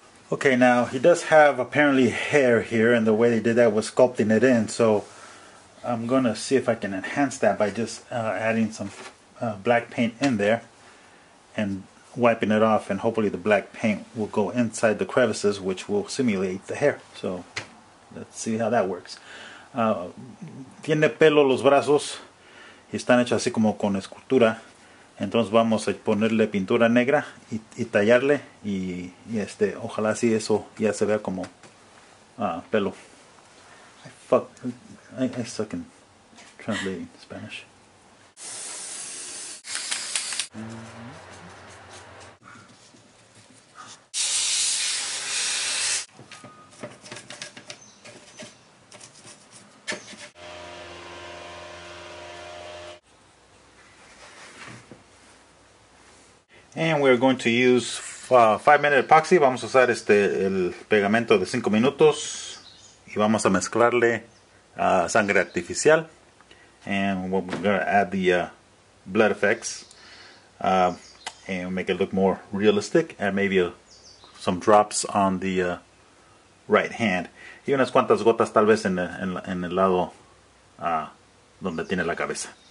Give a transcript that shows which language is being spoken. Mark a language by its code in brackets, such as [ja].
[en] Okay, now he does have apparently hair here, and the way they did that was sculpting it in. So I'm gonna see if I can enhance that by just adding some black paint in there and wiping it off, and hopefully the black paint will go inside the crevices, which will simulate the hair. So let's see how that works. [es] Tiene pelo los brazos, están hechos así como con escultura. Entonces vamos a ponerle pintura negra y tallarle y ojalá así eso ya se vea como pelo. [en] I suck in translating Spanish. And we're going to use 5-minute epoxy. [es] Vamos a usar el pegamento de 5 minutos. Y vamos a mezclarle sangre artificial. [en] And we're going to add the blood effects. And make it look more realistic. And maybe some drops on the right hand. [es] Y unas cuantas gotas tal vez en el lado donde tiene la cabeza.